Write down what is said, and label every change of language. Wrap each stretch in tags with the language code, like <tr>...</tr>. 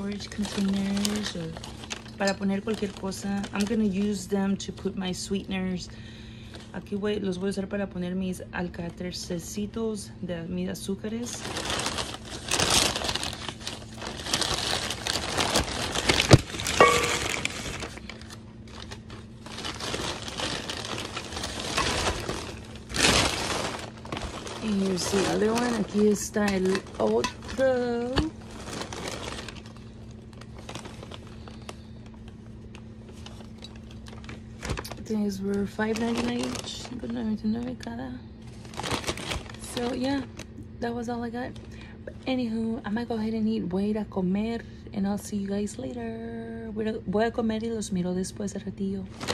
<en>Containers or</en> <es>para poner cualquier cosa.</es> <en>I'm gonna use them to put my sweeteners.</en> <es>Aquí voy, los voy a usar para poner mis alcatercitos de mis azúcares.</es> <en>And here's the other one.</en> <es>Aquí está el otro.</es> <en>These were $5.99 each, $9.99 cada. So yeah, that was all I got. But anywho, I'm gonna go ahead and eat.</en> <es>Voy a comer,</es> <en>and I'll see you guys later.</en> <es>Voy a comer y los miro después de ratillo.</es>